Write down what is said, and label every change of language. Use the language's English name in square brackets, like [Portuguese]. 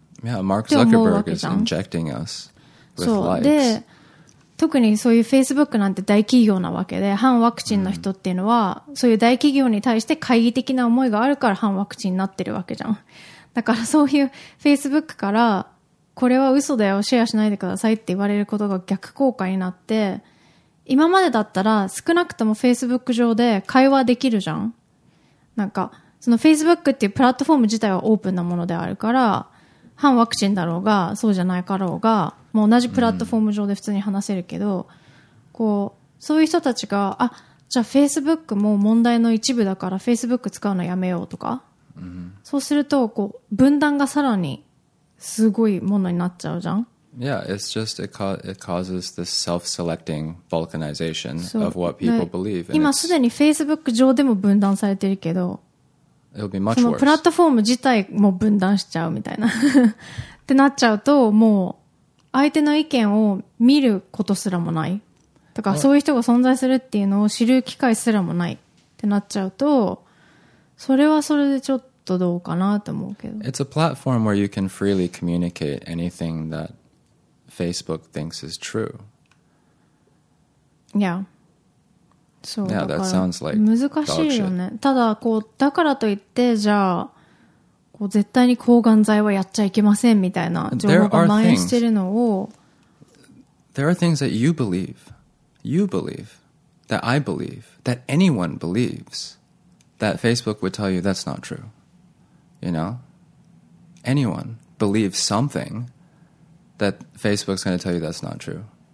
[English] Yeah, Mark Zuckerberg is injecting us with lies. [Japanese] そう。で、特にそういう Facebook なんて大企業なわけで、反ワクチンの人っていうのは、そういう大企業に対して懐疑的な思いがあるから反ワクチンになってるわけじゃん。だからそういう Facebook から、これは嘘だよ、シェアしないでくださいって言われることが逆効果になって、今までだったら少なくとも Facebook 上で会話できるじゃん。なんか、その Facebook っていうプラットフォーム自体はオープンなものであるから、反ワクチンだろうが、そうじゃないかろうが、もう同じプラットフォーム上で普通に話せるけど、こう、そういう人たちが、あ、じゃあ Facebook も問題の一部だから Facebook 使うのやめようとか、そうすると、こう、分断がさらにすごいものになっちゃうじゃん。 [English] Yeah, it's just, it causes this self-selecting balkanization of what people believe. [Japanese] 今すでに Facebook 上でも分断されてるけど、 [English] It'll be much worse. その [Japanese] プラットフォーム自体も分断しちゃうみたいなってなっちゃうと、もう相手の意見を見ることすらもない。だからそういう人が存在するっていうのを知る機会すらもないってなっちゃうと、それはそれでちょっとどうかなと思うけど。 [English] It's a platform where you can freely communicate anything that Facebook thinks is true. Yeah. そう yeah, that sounds like [Japanese] 難しいよね。ただこうだからといってじゃあこう絶対に抗がん剤はやっちゃいけませんみたいな情報が蔓延してるのを。 [English] There are things that you believe, that I believe, that anyone believes, that Facebook would tell you that's not true. You know, anyone believes something that Facebook's going to tell you that's not true.